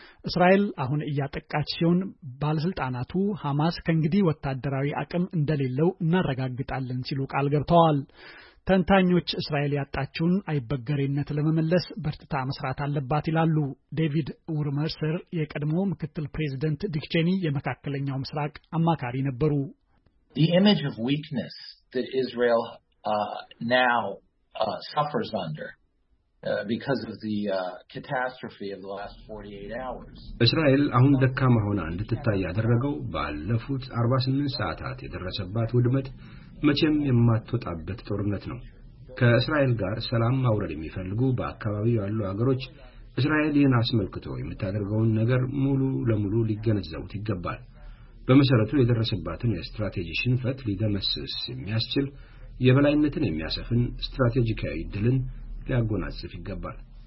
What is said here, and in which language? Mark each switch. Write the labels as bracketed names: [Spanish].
[Amharic] እስራኤል አሁን እያጠቃች ሲሆን ባለስልጣናቱ ሐማስ ከእንግዲህ ወታደራዊ አቅም እንደሌለው እናረጋግጣለን ሲሉ ቃል ገብተዋል። ተንታኞች እስራኤል ያጣችውን አይበገሬነት ለመመለስ በርትታ መስራት አለባት ይላሉ። ዴቪድ ኡርመርሰር የቀድሞ ምክትል ፕሬዝዳንት ዲክ ቼኒ የመካከለኛው ምስራቅ አማካሪ ነበሩ። [English] The image of weakness that Israel suffers under because of the catastrophe of the last 48 hours. [Amharic] እስራኤል አሁን ደካማ ሆና እንድትታይ ያደረገው ባለፉት 48 ሰዓታት የደረሰባት ውድመት መቼም የማትወጣበት ጦርነት ነው። ከእስራኤል ጋር ሰላም ማውረድ የሚፈልጉ በአካባቢው ያሉ አገሮች እስራኤል ይህን አስመልክቶ የምታደርገውን ነገር ሙሉ ለሙሉ ሊገነዘቡት ይገባል። በመሰረቱ የደረሰባትን የስትራቴጂ ሽንፈት ሊደመስስ የሚያስችል የበላይነትን የሚያሰፍን ስትራቴጂካዊ ድልን ሊያጎናጽፍ ይገባል።